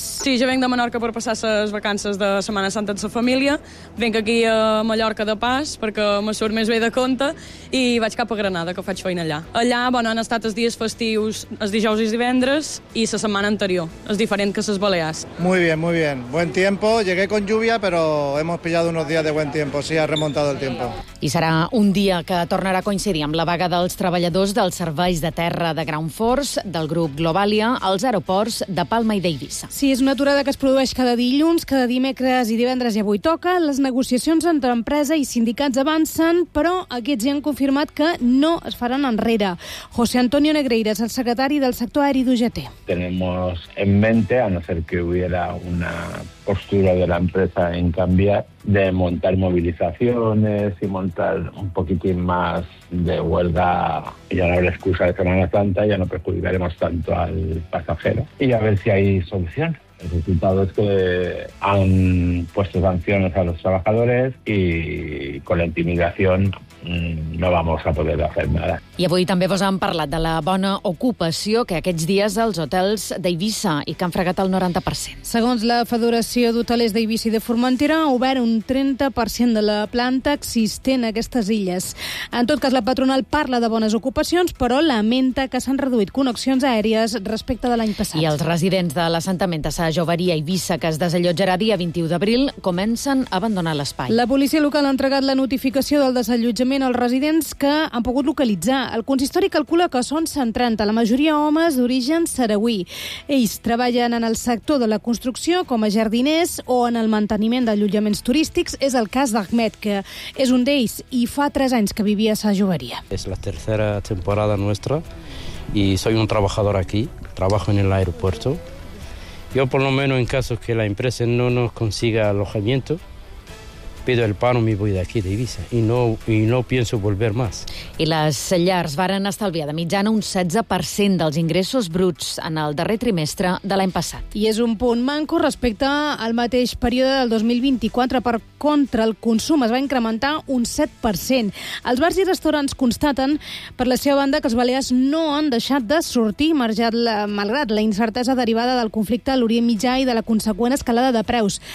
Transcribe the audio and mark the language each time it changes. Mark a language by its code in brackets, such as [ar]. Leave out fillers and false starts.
[ca] Sí, jo venc de Menorca per passar les vacances de Setmana Santa amb la família. Venc aquí a Mallorca de pas, perquè me surt més bé de compte, i vaig cap a Granada, que faig feina allà. Allà, bueno, han estat els dies festius, els dijous i divendres, i la setmana anterior. És diferent que les Balears. [es] Muy bien, muy bien. Buen tiempo. Llegué con lluvia, pero hemos pillado unos días de buen tiempo. Sí, ha remontado el tiempo. [ca] I serà un dia que tornarà a coincidir amb la vaga dels treballadors dels serveis de terra de Ground Force, del grup Globalia, als aeroports de Palma i d'Eivissa. Sí, és una aturada que es produeix cada dilluns, cada dimecres i divendres, i avui toca. Les negociacions entre empresa i sindicats avancen, però aquests ja han confirmat que no es faran enrere. José Antonio Negreira és el secretari del sector aeri d'UGT. [es] Tenemos en mente, a no ser que hubiera una postura de la empresa en cambiar, de montar movilizaciones y montar un poquitín más de huelga, ya no habrá excusa de Semana Santa, ya no perjudicaremos tanto al pasajero. Y a ver si hay solución. El resultado es que han puesto sanciones a los trabajadores y con la intimidación no vamos a poder hacer nada. [ca] I avui també vos han parlat de la bona ocupació que aquests dies els hotels d'Eivissa i que han fregat el 90%. Segons la Federació d'Hotelers d'Eivissa i de Formentera, ha obert un 30% de la planta existent a aquestes illes. En tot cas, la patronal parla de bones ocupacions, però lamenta que s'han reduït connexions aèries respecte de l'any passat. I els residents de l'assentament de Sa Joveria Eivissa, que es desallotjarà dia 21 d'abril, comencen a abandonar l'espai. La policia local ha entregat la notificació del desallotjament als residents que han pogut localitzar. El consistori calcula que són 130, la majoria homes d'origen saragüí. Ells treballen en el sector de la construcció com a jardiners o en el manteniment d'allotjaments turístics. És el cas d'Ahmed, que és un d'ells i fa 3 anys que vivia a Sa Joveria. És la tercera temporada nostra i [es] soy un trabajador aquí, trabajo en el aeropuerto. Yo, por lo menos, en caso que la empresa no nos consiga alojamiento, pido el pan o me voy de aquí, de Eivissa, y no pienso volver más. [ca] I les llars varen estalviar de mitjana un 16% dels ingressos bruts en el darrer trimestre de l'any passat. I és un punt manco respecte al mateix període del 2024. Per contra, el consum es va incrementar un 7%. Els bars i restaurants constaten, per la seva banda, que els balears no han deixat de sortir, malgrat la incertesa derivada del conflicte a l'Orient Mitjà i de la conseqüent escalada de preus.